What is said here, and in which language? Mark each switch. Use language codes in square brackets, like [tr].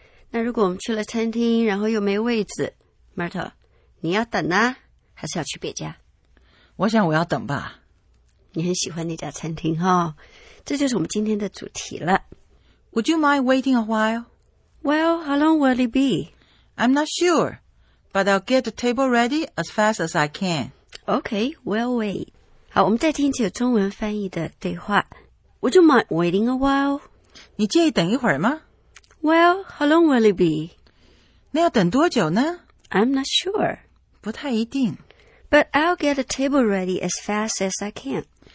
[zh] 那如果我们去了餐厅，然后又没位置 ，Myrtle， 你要等呢，还是要去别家？我想我要等吧。你很喜欢那家餐厅哈、哦，这就是我们今天的主题了。 [en] Would you mind waiting a while? Well, how long will it be? I'm not sure, but I'll get the table ready as fast as I can. Okay, we'll wait. [zh] 好，我们再听一次有中文翻译的对话。 [en] Would you mind waiting a while? [zh] 你介意等一会儿吗 [en] ？Well, how long will it be? [zh] 那要等多久呢 [en] ？I'm not sure. [zh] 不太一定。 [en] But I'll get a table ready as fast as I can.